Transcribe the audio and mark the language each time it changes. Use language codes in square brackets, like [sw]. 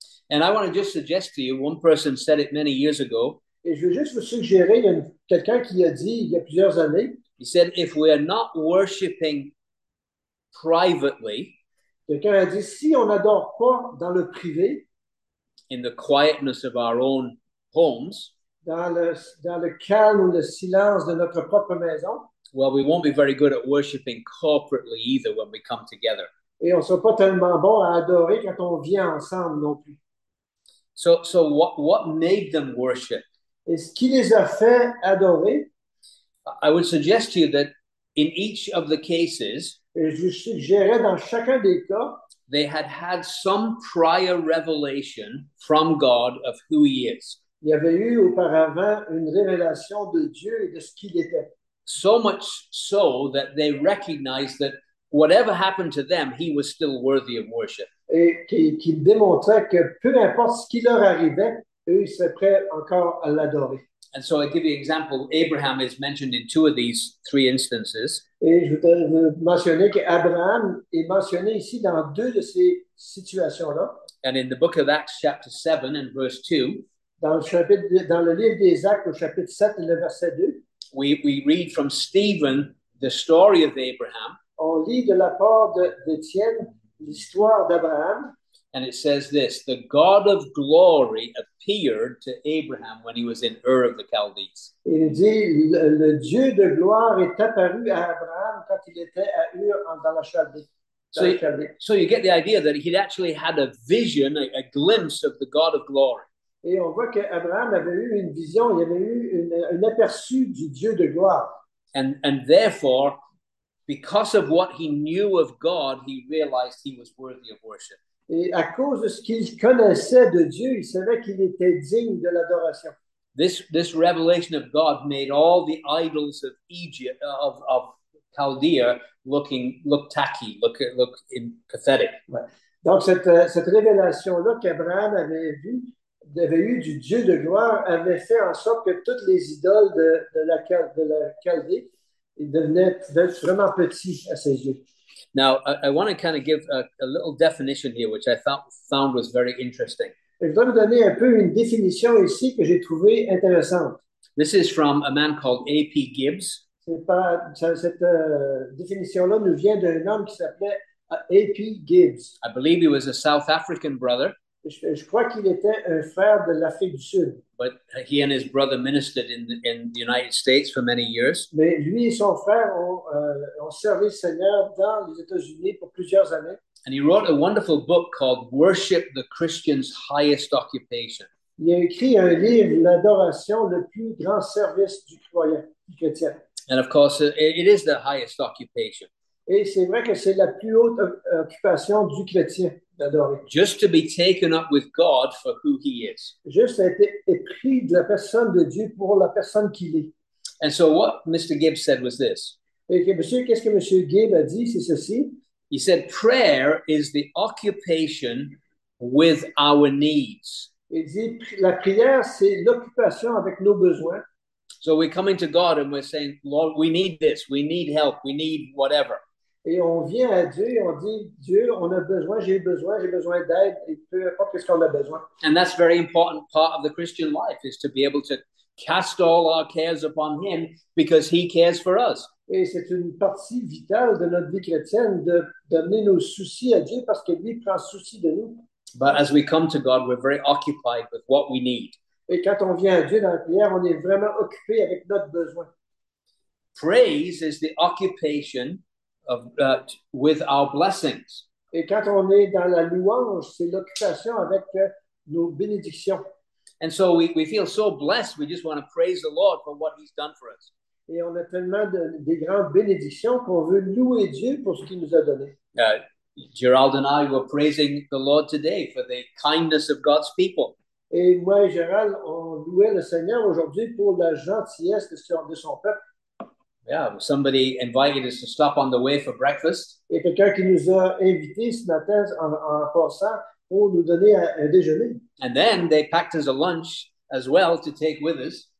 [en] And I want to just suggest to you, one person said it many years ago. [fr] Et je veux juste vous suggérer, il y a quelqu'un qui a dit il y a plusieurs années. [en] He said, if we are not worshiping privately, [fr] quelqu'un a dit, si on n'adore pas dans le privé, [en] in the quietness of our own homes, [fr] dans le calme ou le silence de notre propre maison, [en] well, we won't be very good at worshiping corporately either when we come together. [fr] Et on ne sera pas tellement bon à adorer quand on vient ensemble non plus. [en] So what made them worship? [fr] Et ce qui les a fait adorer? [en] I would suggest to you that in each of the cases, [fr] et je suggérais dans chacun des cas, [en] they had some prior revelation from God of who he is. [fr] Il y avait eu auparavant une révélation de Dieu et de ce qu'il était. [en] So much so that they recognized that whatever happened to them, he was still worthy of worship. [fr] Et qui démontrait que peu importe ce qui leur arrivait, eux, ils seraient prêts encore à l'adorer. [en] And so I give you an example. Abraham is mentioned in two of these three instances. [fr] Et je voudrais mentionner qu'Abraham est mentionné ici dans deux de ces situations-là. [en] And in the book of Acts, chapter 7 and verse 2, [fr] dans le livre des Actes, au chapitre 7 et le verset 2, [en] we read from Stephen the story of Abraham. [fr] On lit de la part d'Étienne l'histoire d'Abraham. [en] And it says this, the God of glory appeared to Abraham when he was in Ur of the Chaldees. [fr] Il dit, le Dieu de gloire est apparu à Abraham quand il était à Ur dans la Chaldée. [en] So you get the idea that he'd actually had a vision, a glimpse of the God of glory. [fr] Et on voit qu'Abraham avait eu une vision, il avait eu un aperçu du Dieu de gloire. [en] And therefore, because of what he knew of God, he realized he was worthy of worship. [fr] Et à cause de ce qu'il connaissait de Dieu, il savait qu'il était digne de l'adoration. [en] This revelation of God made all the idols of Egypt, of Chaldea, look tacky, look pathetic. [fr] Ouais. Donc cette révélation-là qu'Abraham avait eu du Dieu de gloire avait fait en sorte que toutes les idoles de la Chaldée devenaient vraiment petits à ses yeux. [en] Now, I want to kind of give a little definition here, which I found was very interesting. [fr] Je vais vous donner un peu une définition ici que j'ai trouvé intéressante. [en] This is from a man called A.P. Gibbs. [fr] Définition-là nous vient d'un homme qui s'appelait A.P. Gibbs. [en] I believe he was a South African brother. [fr] Je crois qu'il était un frère de l'Afrique du Sud. [en] But he and his brother ministered in the United States for many years. [fr] Mais lui et son frère ont servi le Seigneur dans les États-Unis pour plusieurs années. [en] And he wrote a wonderful book called Worship, the Christian's Highest Occupation. [fr] Il a écrit un livre, L'Adoration, le plus grand service du croyant, du chrétien. [en] And of course, it is the highest occupation. [fr] Et c'est vrai que c'est la plus haute occupation du chrétien, d'adorer. [en] Just to be taken up with God for who he is. [fr] Juste être épris de la personne de Dieu pour la personne qu'il est. [en] And so what Mr. Gibbs said was this. [fr] Et monsieur, qu'est-ce que monsieur Gibbs a dit? C'est ceci. [en] He said, prayer is the occupation with our needs. [fr] Il dit, la prière, c'est l'occupation avec nos besoins. [en] So we're coming to God and we're saying, Lord, we need this, we need help, we need whatever. [fr] Et on vient à Dieu et on dit, Dieu, on a besoin, j'ai besoin d'aide, et peu importe ce qu'on a besoin. [en] And that's a very important part of the Christian life, is to be able to cast all our cares upon him because he cares for us. [fr] Et c'est une partie vitale de notre vie chrétienne de donner nos soucis à Dieu parce que lui prend souci de nous. [en] But as we come to God, we're very occupied with what we need. [fr] Et quand on vient à Dieu dans la prière, on est vraiment occupé avec notre besoin. [en] Praise is the occupation of with our blessings. [fr] Et quand on est dans la louange, c'est l'occupation avec nos bénédictions. [en] And so we feel so blessed, we just want to praise the Lord for what he's done for us. [fr] Et on a tellement de grandes bénédictions qu'on veut louer Dieu pour ce qu'il nous a donné. [en] Gerald and I were praising the Lord today for the kindness of God's people. [fr] Et moi et Gérald, on louait le Seigneur aujourd'hui pour la gentillesse de son peuple. [en] Yeah, somebody invited us to stop on the way for breakfast. [fr] Et quelqu'un qui nous a invités ce matin en passant pour nous donner un déjeuner. [en] And then they packed us a lunch as well to take with us.